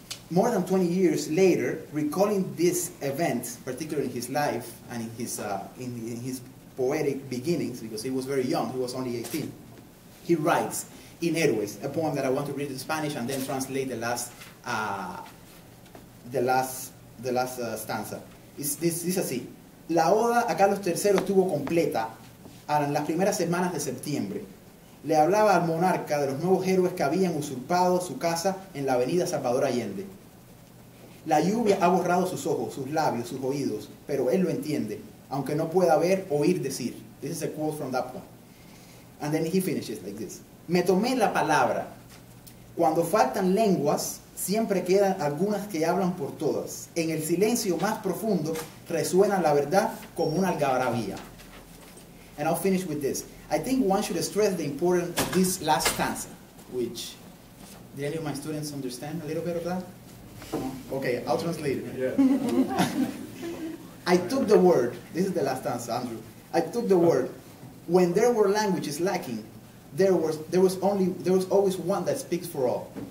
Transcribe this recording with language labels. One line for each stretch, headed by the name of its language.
English: More than 20 years later, recalling this event, particularly in his life and in his poetic beginnings, because he was very young, he was only 18, he writes in Héroes, a poem that I want to read in Spanish and then translate the last stanza.
Spanish: Dice así: La oda a Carlos III estuvo completa en las primeras semanas de septiembre. Le hablaba al monarca de los nuevos héroes que habían usurpado su casa en la avenida Salvador Allende. La lluvia ha borrado sus ojos, sus labios, sus oídos, pero él lo entiende, aunque no pueda ver o oír decir.
English: This is a quote from that poem. And then he finishes like this:
Spanish: Me tomé la palabra. Cuando faltan lenguas, siempre quedan algunas que hablan por todas. En el silencio más profundo resuena la verdad como una algarabía.
English: And I'll finish with this. I think one should stress the importance of this last stanza, which, did any of my students understand a little bit of that? No? Okay, I'll translate it. Yeah. I took the word, this is the last stanza, Andrew. I took the word, when there were languages lacking, there was always one that speaks for all.